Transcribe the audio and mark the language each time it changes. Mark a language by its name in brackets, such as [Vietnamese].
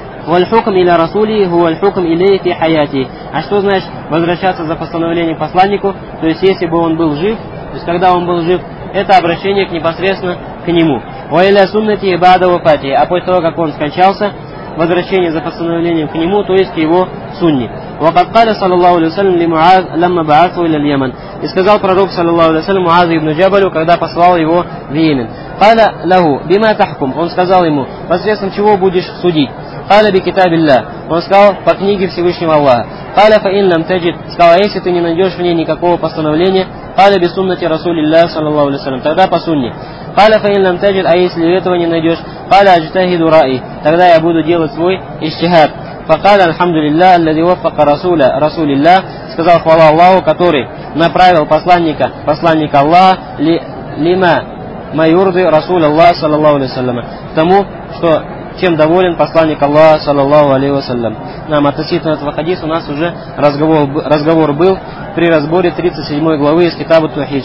[Arabic] وَالْحُكْمُ إِلَى رَسُولِهِ وَالْحُكْمُ إِلَيْهِ فِي حَيَاتِهِ. [Russian] А что значит возвращаться за постановлением посланнику? То есть если бы он был жив, то есть когда он был жив, это обращение непосредственно к нему. [Arabic] وَإِلَى سُنَّتِهِ بَعْدَ وَفَاتِهِ. [Russian] А после того, как он скончался, возвращение за постановлением к нему, то есть к его сунне. [Arabic] وقد قال صلى الله عليه وسلم لمعاذ لما بعثه الى اليمن. [Russian] И сказал пророк صلى الله عليه وسلم معاذ ابن جبل, когда послал его в Йемен. [Arabic] قال له بما تحكم. [Russian] Он сказал ему, посредством чего будешь судить. [Arabic] قال بكتاب الله. [Russian] Он сказал, по книге Всевышнего Аллаха. [Arabic] قال فإن لم تجد. [Russian] Сказал, если ты не найдешь в ней никакого постановления. [Arabic] قال بسنة رسول الله صلى الله عليه وسلم. [Russian] Тогда по сунне. [Arabic] قال فإن لم تجد. [Russian] А если этого не найдешь. [Arabic] قال اجتهد رأي. [Russian] Тогда я буду делать свой иштихад. [Arabic] فقال الحمد لله الذي وفق رسول رسول الله. [Russian] Сказал хвала Аллаху, который направил посланника, посланника Аллаха, [Arabic] лима майурды رسول الله صلى الله عليه وسلم. [Russian] К тому, что чем доволен посланник Аллаха, саллаллаху алейхи ва саллям. нам относительно этого хадиса у нас уже разговор был при разборе 37 главы из Китаба Тухид.